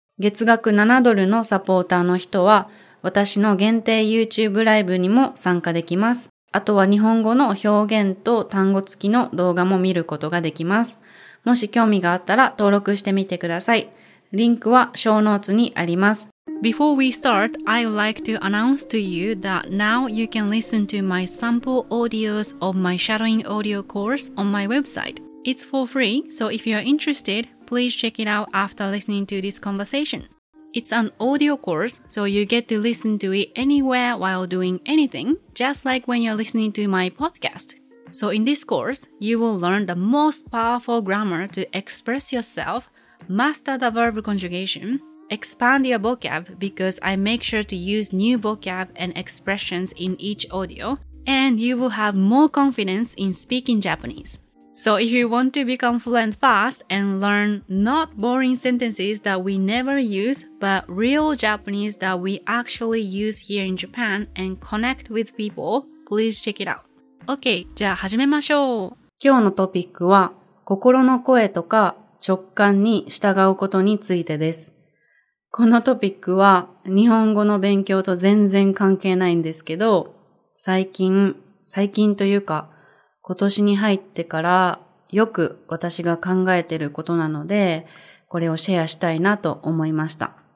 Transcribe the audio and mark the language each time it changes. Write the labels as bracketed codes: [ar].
[ja] 月額7ドルのサポーターの人は私の限定 YouTube ライブにも参加できます。あとは日本語の表現と単語付きの動画も見ることができます。もし興味があったら登録してみてください。リンクはショーノーツにあります。 [en] Before we start, I would like to announce to you that now you can listen to my sample audios of my shadowing audio course on my website. It's for free, so if you are interested, please check it out after listening to this conversation. It's an audio course, so you get to listen to it anywhere while doing anything, just like when you're listening to my podcast. So in this course, you will learn the most powerful grammar to express yourself, master the verb conjugation,Expand your vocab because I make sure to use new vocab and expressions in each audio, and you will have more confidence in speaking Japanese. So if you want to become fluent fast and learn not boring sentences that we never use, but real Japanese that we actually use here in Japan and connect with people, please check it out. [ja] Okay, じゃあ始めましょう。今日のトピックは心の声とか直感に従うことについてです。このトピックは日本語の勉強と全然関係ないんですけど、最近というか今年に入ってからよく私が考えていることなので、これをシェアしたいなと思いました。